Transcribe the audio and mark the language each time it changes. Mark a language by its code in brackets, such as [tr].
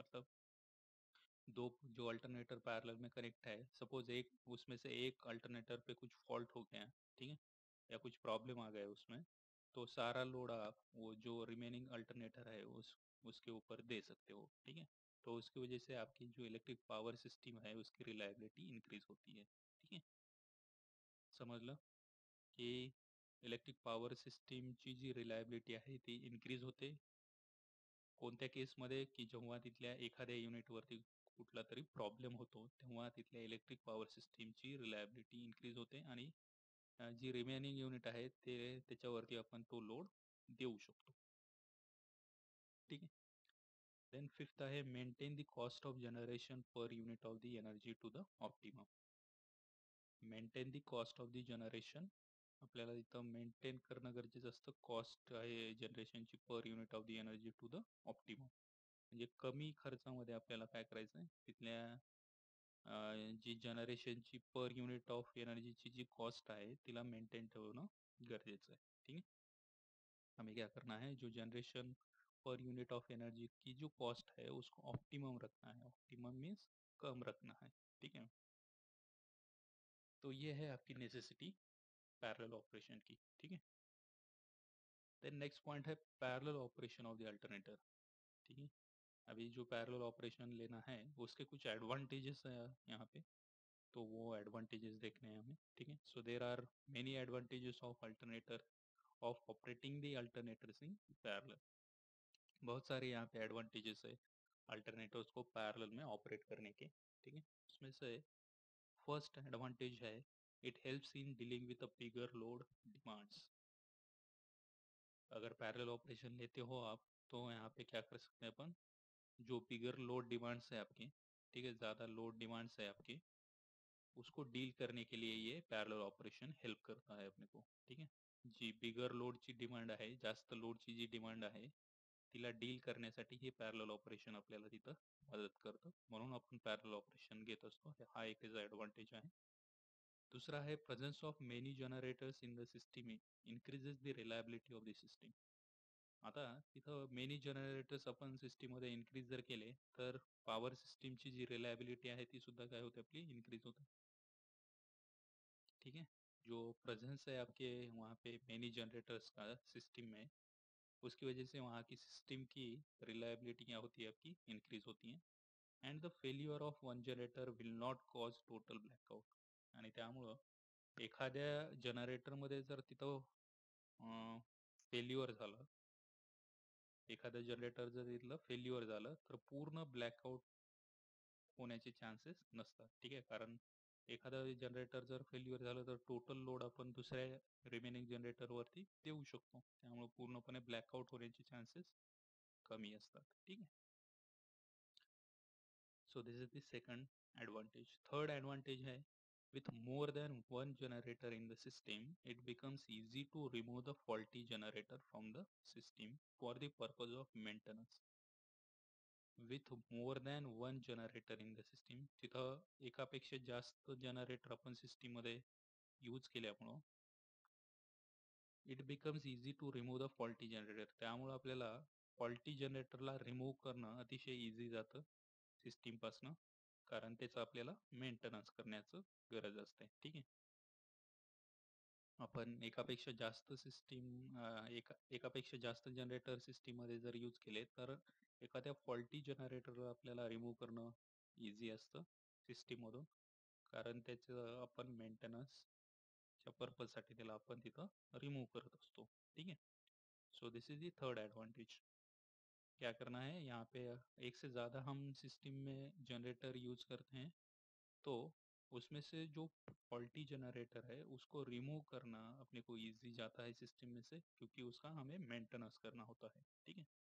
[hi] मतलब दो जो अल्टरनेटर पैरेलल में कनेक्ट है, सपोज एक उसमें से एक अल्टरनेटर पे कुछ फॉल्ट हो गया, ठीक है, या कुछ प्रॉब्लम आ गया उसमें, तो सारा लोड आप वो जो रिमेनिंग अल्टरनेटर है उसके ऊपर दे सकते हो, ठीक है। तो उसकी वजह से आपकी जो इलेक्ट्रिक पावर सिस्टम है उसकी रिलायबिलिटी इंक्रीज होती है, ठीक है। समझ लो कि [mr] इलेक्ट्रिक पावर सिस्टम ची जी रिलायबिलिटी आहे ती इंक्रीज होते कोणत्या केस मध्ये, की जेव्हा तिथल्या एखाद्या युनिट वरती कुठला तरी प्रॉब्लेम होतो तेव्हा तिथल्या इलेक्ट्रिक पावर सिस्टमची रिलायबिलिटी इंक्रीज होते आणि जी रिमेनिंग युनिट आहे ते त्याच्यावरती आपण तो लोड देऊ शकतो, ठीक आहे। [en] Then fifth आहे maintain the cost of generation per unit of the energy to the optimum. Maintain the cost of the generation, [mr] आपल्याला इथं मेंटेन करणं गरजेचं असतं, कॉस्ट आहे जनरेशनची per unit of the energy to the optimum, म्हणजे कमी खर्चामध्ये आपल्याला काय करायचं आहे, तिथल्या जी जनरेशनची पर युनिट ऑफ एनर्जीची जी कॉस्ट आहे तिला मेंटेन ठेवणं गरजेचं आहे, ठीक आहे। [hi] हमें क्या करना है, जो generation per unit of energy की जो कॉस्ट है उसको ऑप्टिमम रखना है, ऑप्टिमम मीन्स कम रखना है, ठीक है। तो ये है आपकी नेसेसिटी पैरेलल ऑपरेशन की, ठीक है। देन नेक्स्ट पॉइंट है parallel operation of the alternator, ठीक है। अभी जो पैरेलल ऑपरेशन लेना है उसके कुछ एडवांटेजेस है यहाँ पे, तो वो एडवांटेजेस देखने हैं हमें, ठीक है। [en] So there are many advantages of alternator of operating the alternators in parallel. [hi] बहुत सारे यहाँ पे एडवांटेजेस है अल्टरनेटर्स को पैरेलल में ऑपरेट करने के, ठीक है। उसमें से फर्स्ट एडवांटेज है [en] It helps in dealing with a bigger load demands. [hi] अगर पैरेलल ऑपरेशन लेते हो आप तो यहाँ पे क्या कर सकते हैं अपन, जो बिगर लोड डिमांड्स है आपके, ठीक है, ज्यादा लोड डिमांड्स है आपके, उसको डील करने के लिए ये पैरेलल ऑपरेशन हेल्प करता है अपने को, ठीक है। [mr] जी बिगर लोड ची डिमांड आहे, जास्त लोड ची जी डिमांड आहे तिला डील करण्यासाठी हे पॅरलल ऑपरेशन आपल्याला तिथं मदत करतं, म्हणून आपण पॅरलल ऑपरेशन घेत असतो, हा एक त्याचा ऍडव्हान्टेज आहे। दुसरा आहे [en] Presence of many generators in the system increases the reliability of the system. [mr] आता तिथं मेनी जनरेटर्स आपण सिस्टीममध्ये इन्क्रीज जर केले तर पॉवर सिस्टीमची जी रिलायबिलिटी आहे ती सुद्धा काय होते आपली, इन्क्रीज होते, [hi] ठीक है। जो प्रेझेन्स है आपके वहां पे मेनी जनरेटर्स का सिस्टीम में, उसकी वजह से वहाँ की सिस्टम की रिलायबिलिटी क्या होती है आपकी, इंक्रीज होती है। [en] And the failure of one generator will not cause total blackout. [mr] आणि त्यामुळं एखाद्या जनरेटरमध्ये जर तिथं फेल्युअर झालं, एखाद्या जनरेटर जर तिथलं फेल्युअर झालं तर पूर्ण ब्लॅकआउट होण्याचे चान्सेस नसतात, ठीक आहे। कारण एखादं जनरेटर जर फेल्युअर झालं तर टोटल लोड आपण दुसऱ्या रिमेनिंग जनरेटरवरती देऊ शकतो, त्यामुळे पूर्णपणे ब्लॅकआउट होण्याचे चान्सेस कमी असतात, ठीक आहे। [en] So this is the second advantage. Third advantage है with more than one generator in the system it becomes easy to remove the faulty generator from the system for the purpose of maintenance. With more than one generator in the system, [mr] तिथं एकापेक्षा जास्त generator आपण सिस्टीममध्ये use केल्यामुळं [en] it becomes easy to remove the faulty generator, [mr] त्यामुळे आपल्याला faulty जनरेटरला remove करणं अतिशय इझी जातं सिस्टीमपासनं, कारण त्याचं आपल्याला मेंटेनन्स करण्याचं गरज असते, ठीक आहे। आपण एकापेक्षा जास्त सिस्टीम एकापेक्षा जास्त जनरेटर सिस्टीममध्ये जर यूज केले तर एखाद्या फॉल्टी जनरेटरला आपल्याला रिमूव्ह करणं इझी असतं सिस्टीममधून, कारण त्याचं आपण मेंटेनन्स च्या पर्पजसाठी त्याला आपण तिथं रिमूव्ह करत असतो, ठीक आहे। [en] So this is the third advantage. [hi] क्या करना है, यहाँ पे एक से ज्यादा हम सिस्टम में जनरेटर यूज करते हैं तो उसमें से जो फॉल्टी जनरेटर है उसको रिमूव करना अपने को इजी जाता है सिस्टम में से, क्योंकि उसका हमें मेंटेनेंस करना होता है, ठीक है।